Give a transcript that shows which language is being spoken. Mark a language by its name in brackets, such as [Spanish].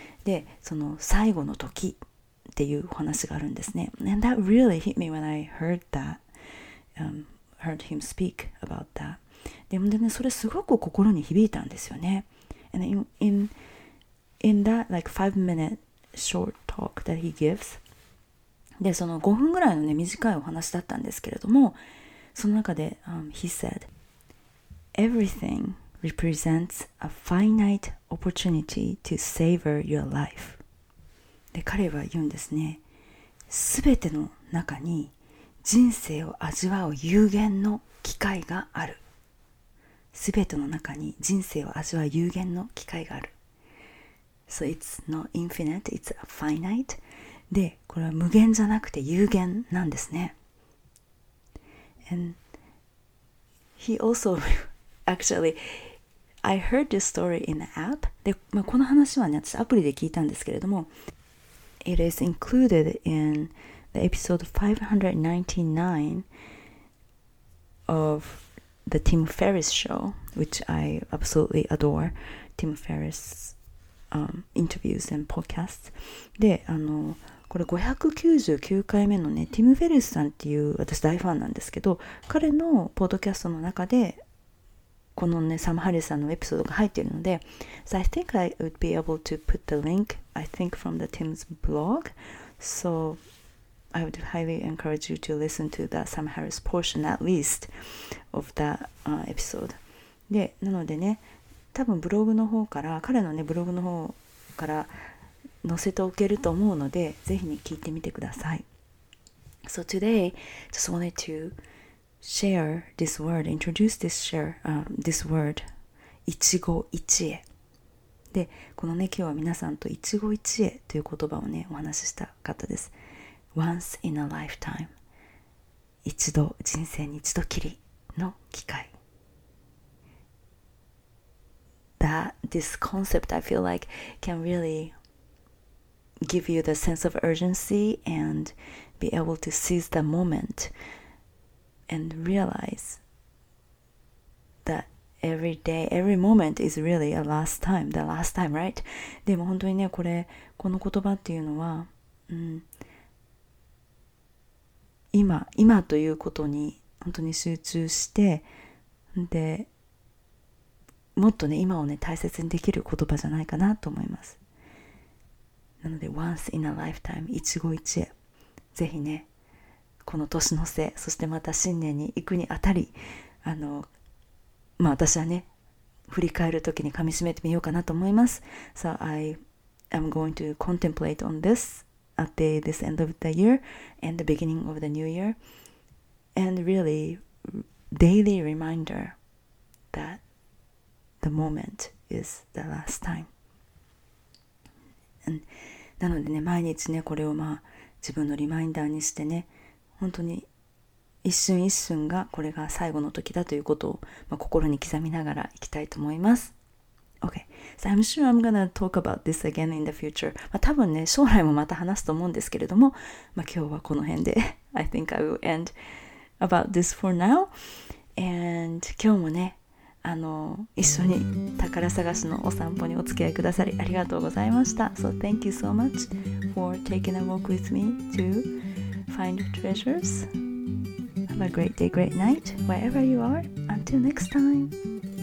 [Japanese] で、その最後の時っていうお話があるんですね。 [English] And that really hit me when I heard that,、heard him speak about that. [Japanese] でね、それすごく心に響いたんですよね。 [English] And in that like 5-minute short talk that he gives, [Japanese] で、その5分ぐらいのね、短いお話だったんですけれども、その中で、 [English] he said, Everything represents a finite opportunity to savor your life. [Japanese] で、彼は言うんですね、すべての中に人生を味わう有限の機会がある。すべての中に人生を味わう有限の機会がある。 [English] So it's not infinite, it's a finite. [Japanese] で、これは無限じゃなくて有限なんですね。 [English] And he also actually, I heard this story in the app. [Japanese] で、まあ、この話はね、私アプリで聞いたんですけれども、 [English] It is included in the episode 599 of the Tim Ferriss show, which I absolutely adore. Tim Ferriss、interviews and podcasts. [Japanese] で、あの、これ599回目のね、ティム・フェリスさんっていう私大ファンなんですけど、彼のポッドキャストの中で、このね、サム・ハリスさんのエピソードが入っているので、 [English] So I think I would be able to put the link, I think from the Tim's blog. So I would highly encourage you to listen to that Sam Harris portion at least of that、episode. [Japanese] で、なのでね、多分ブログの方から、彼のね、ブログの方から、載せておけると思うのでぜひに聞いてみてください。 [English] So today just wanted to share this word introduce this word Ichigo Ichie [Japanese] で、このね、今日は皆さんと一期一会という言葉をね、お話ししたかったです。 [English] Once in a lifetime. [Japanese] 一度、人生に一度きりの機会。 [English] This concept, I feel like, can really give you the sense of urgency and be able to seize the moment and realize that every day, every moment is really a last time, the last time, right? [Japanese] でも本当にね、これ、この言葉っていうのは、今ということに本当に集中して、で、もっとね、今をね、大切にできる言葉じゃないかなと思います。なので、 [English] Once in a lifetime, [Japanese] 一期一会。ぜひね、この年の瀬、そしてまた新年に行くにあたり、まあ私はね、振り返るときに噛み締めてみようかなと思います。 [English] So I am going to contemplate on this at this end of the year and the beginning of the new year. And really, daily reminder that the moment is the last time. [Japanese] And, なのでね、毎日ね、これをまあ、自分のリマインダーにしてね、本当に一瞬一瞬がこれが最後の時だということを、まあ、心に刻みながらいきたいと思います。 [English] Okay, so I'm sure I'm gonna talk about this again in the future. [Japanese] まあ、多分ね、将来もまた話すと思うんですけれども、まあ、今日はこの辺で [English] I think I will end about this for now. [Japanese] And 今日もね、一緒に宝探しのお散歩にお付き合いくださりありがとうございました。 [English] So thank you so much for taking a walk with me to find treasures. Have a great day, great night, wherever you are. Until next time.